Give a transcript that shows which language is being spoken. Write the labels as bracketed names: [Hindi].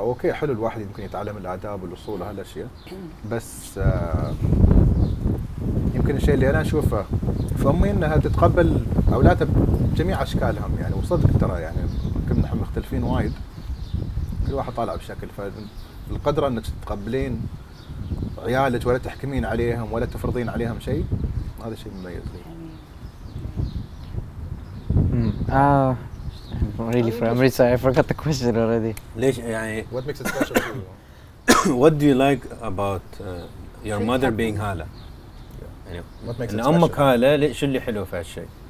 [Arabic] اوكي حلو الواحد يمكن يتعلم الاداب والاصول وهالاشياء، بس يمكن الشيء اللي انا اشوفه في امي انها تتقبل اولادها بجميع اشكالهم يعني. وصدق ترى يعني كنا احنا مختلفين وايد كل واحد طالع بشكل. فالقدره انك تتقبلين عيالك ولا تحكمين عليهم ولا تفرضين عليهم شيء هذا شيء مميز. [English] I'm really sorry. I forgot the question already. [Arabic] ليش يعني [English] what makes it special for you? What do you like about your mother being هالة؟ يعني what makes it special? [Arabic] أمك هالة شو اللي حلو في هالشيء؟